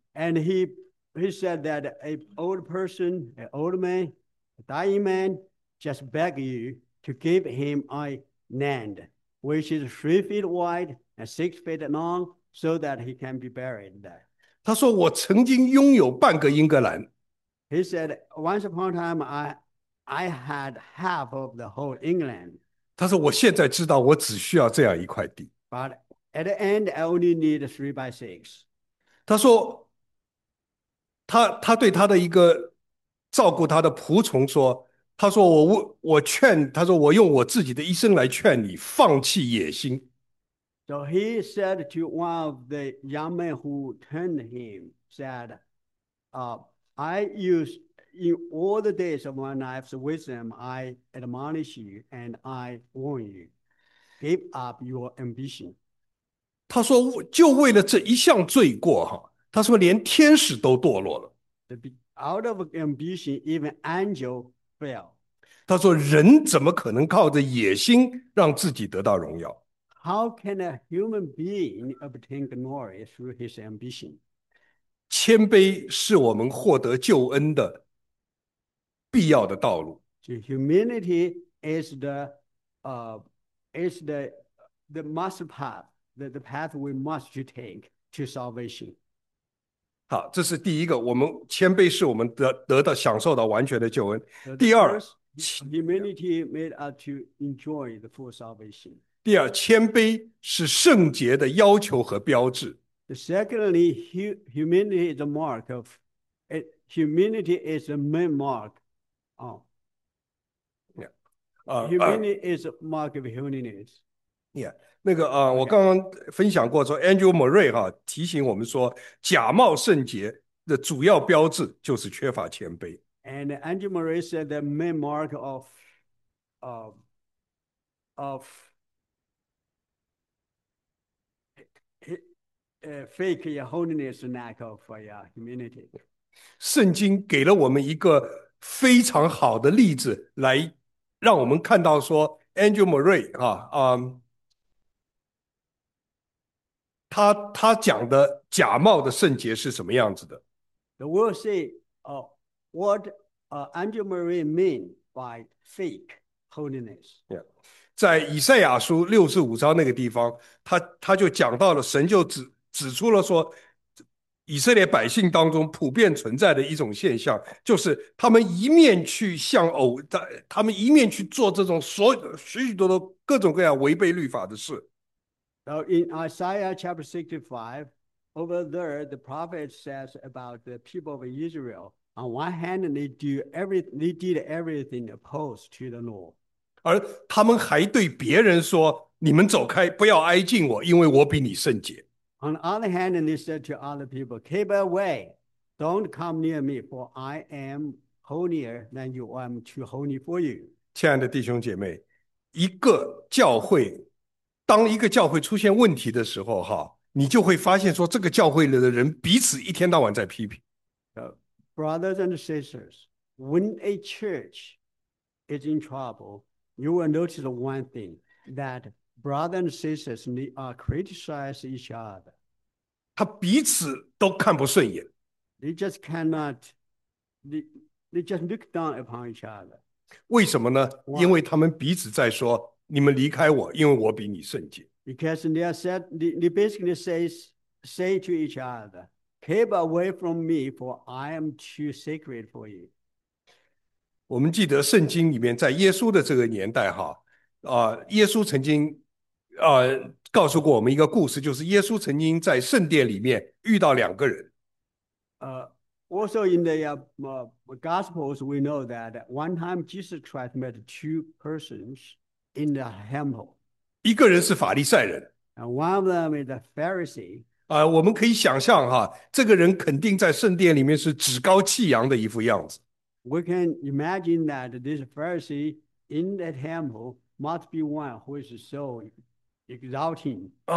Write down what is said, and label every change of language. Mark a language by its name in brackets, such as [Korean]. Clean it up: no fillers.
[English] And he said that a old person, an old man, a dying man, just beg you to give him a land, which is 3 feet wide and 6 feet long, so that he can be buried there. [Chinese] 他说我曾经拥有半个英格兰。 [English] He said, once upon a time, I had half of the whole England. [Chinese] 他说我现在知道我只需要这样一块地。 [English] But at the end, I only need 3x6. [Chinese] 他说 他对他的一个照顾他的仆从说，他说 我劝，他说我用我自己的一生来劝你放弃野心。 [English] So he said to one of the young men who turned him, said, I use in all the days of my life's wisdom, I admonish you and I warn you, give up your ambition. [Chinese] 他说就为了这一项罪过，他说连天使都堕落了。 [English] Out of ambition, even angel fell. [Chinese] 他说人怎么可能靠着野心让自己得到荣耀？ [English] How can a human being obtain glory through his ambition? [Chinese] 谦卑是我们获得救恩的必要的道路。 [English] So humility is the must path, the path we must take to salvation. [Chinese] 好，这是第一个，我们谦卑是我们 得到享受到完全的救恩。第二 [English] humility made us to enjoy the full salvation. [Chinese] 第二，谦卑是圣洁的要求和标志。 [English] Secondly, humility is a mark of humility is a main mark. Humility is a mark of holiness. [Chinese] Yeah, 那个啊，我刚刚分享过说 ，Andrew Murray 哈提醒我们说，假冒圣洁的主要标志就是缺乏谦卑。 [English] And Andrew Murray said the main mark of fake your holiness, lack of your humility. [Chinese] 圣经给了我们一个非常好的例子，来让我们看到说 ，Andrew Murray 啊，他讲的假冒的圣洁是什么样子的 [English] ？The world say, what Andrew Murray mean by fake holiness? Yeah. [Chinese] 在以赛亚书65章那个地方，他就讲到了神就指出了说，以色列百姓当中普遍存在的一种现象，就是他们一面去向偶，他们一面去做这种所有许许多多各种各样违背律法的事。 [English] So in Isaiah chapter 65, over there the prophet says about the people of Israel. On one hand, they did everything opposed to the law. [Chinese] 而他们还对别人说：“你们走开，不要挨近我，因为我比你圣洁。” [English] On the other hand, they said to other people, "Keep away, don't come near me, for I am holier than you. I'm too holy for you." [Chinese] 亲爱的弟兄姐妹，一个教会，当一个教会出现问题的时候，哈，你就会发现说，这个教会里的人彼此一天到晚在批评。 [English] So, brothers and sisters, when a church is in trouble, you will notice one thing that brothers and sisters criticize each other. [Chinese] 他彼此都看不顺眼。 [English] They just cannot, they just look down upon each other. [Chinese] 为什么呢？ [English] Why? [Chinese] 因为他们彼此在说，你们离开我，因为我比你圣洁。 [English] Because they basically say to each other, keep away from me, for I am too sacred for you. [Chinese] 我们记得圣经里面在耶稣的这个年代，耶稣曾经告诉过我们一个故事，就是耶稣曾经在圣殿里面遇到两个人。 [English] Also in the Gospels, we know that one time Jesus Christ met two persons in the temple. [Chinese] 一个人是法利赛人。 [English] And one of them is a Pharisee. [Chinese] 我们可以想象哈，这个人肯定在圣殿里面是趾高气扬的一副样子。 [English] We can imagine that this Pharisee in the temple must be one who is so exulting.